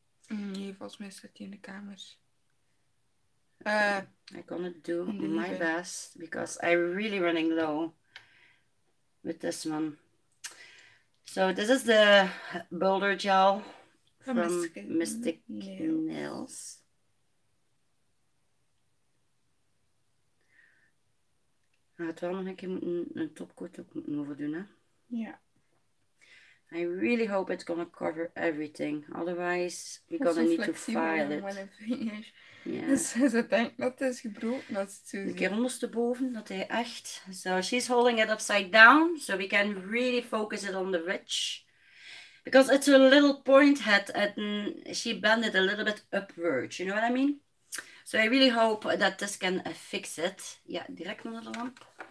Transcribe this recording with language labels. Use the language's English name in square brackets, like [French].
[Dutch] Nee, volgens mij staat hij in de kamers. [English] I'm gonna do my best because I'm really running low with this one. So this is the boulder gel from Mystic Nails. [Dutch] I had wel nog een keer een topcoat ook moeten doen, hè? [English] Yeah. I really hope it's gonna cover everything. Otherwise, we're gonna need to file it. Yeah. [Dutch] Ze denkt dat het is gebroken, dat is te zien. Een keer ondersteboven, dat hij echt... [English] So she's holding it upside down, so we can really focus it on the ridge. Because it's a little point head, and she bent it a little bit upwards, you know what I mean? So I really hope that this can fix it. Yeah, [Dutch] direct onder de lamp.